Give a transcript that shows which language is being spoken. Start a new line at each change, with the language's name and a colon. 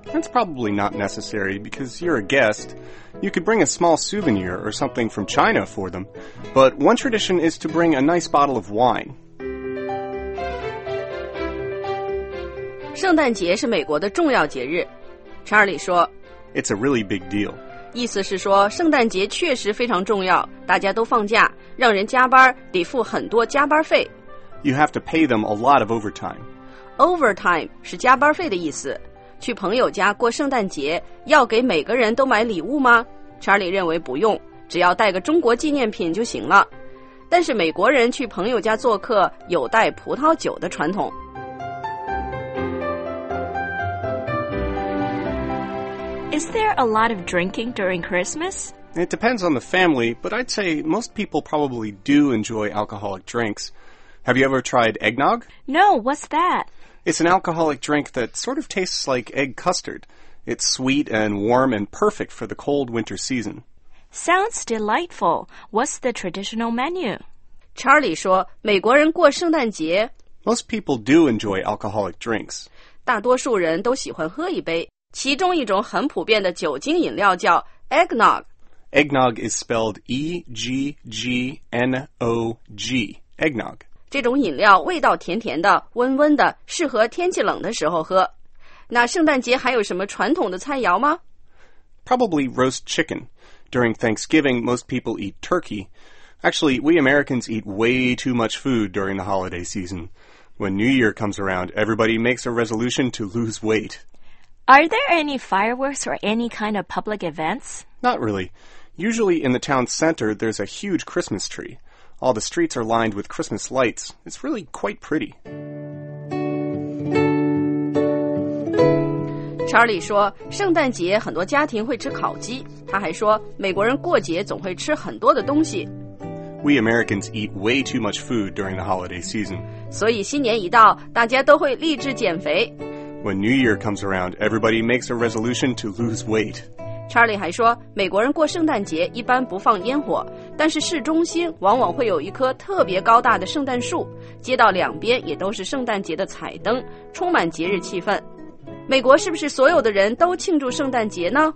English: That's probably not necessary, because you're a guest. You could bring a small souvenir or something from China for them. But one tradition is to bring a nice bottle of wine.
Chinese: 圣诞节是美国的重要节日。 Charlie 说
English: It's a really big deal.
Chinese: 意思是说圣诞节确实非常重要，大家都放假，让人加班得付很多加班费。
English: You have to pay them a lot of overtime.
Chinese: Overtime 是加班费的意思。去朋友家过圣诞节，要给每个人都买礼物吗？ Charlie 认为不用，只要带个中国纪念品就行了。但是美国人去朋友家做客有带葡萄酒的传统。
English: Is there a lot of drinking during Christmas? It depends on the family, but I'd say most people probably do enjoy alcoholic drinks. Have you ever tried eggnog? No, what's that? It's an alcoholic drink that sort of tastes like egg custard. It's sweet and warm and perfect for the cold winter season. Sounds delightful. What's the traditional menu?
Chinese: Charlie 说美国人过圣诞节。
English: Most people do enjoy alcoholic drinks.
Chinese: 大多数人都喜欢喝一杯。其中一种很普遍的酒精饮料叫 eggnog.
English: Eggnog is spelled E-G-G-N-O-G, eggnog.
Chinese: 这种饮料味道甜甜的，温温的，适合天气冷的时候喝。那圣诞节还有什么传统的菜肴吗？
English: Probably roast chicken. During Thanksgiving, most people eat turkey. Actually, we Americans eat way too much food during the holiday season. When New Year comes around, everybody makes a resolution to lose weight. Are there any fireworks or any kind of public events? Not really. Usually in the town center, there's a huge Christmas tree. All the streets are lined with Christmas lights. It's really quite pretty.
Chinese: 查理说，圣诞节很多家庭会吃烤鸡。他还说，美国人过节总会吃很多的东西。
English: We Americans eat way too much food during the holiday season.
Chinese: 所以新年一到，大家都会立志减肥。
English: When New Year comes around, everybody makes a resolution to lose weight.
Chinese: Charlie 还说，美国人过圣诞节一般不放烟火，但是市中心往往会有一棵特别高大的圣诞树，街道两边也都是圣诞节的彩灯，充满节日气氛。美国是不是所有的人都庆祝圣诞节呢？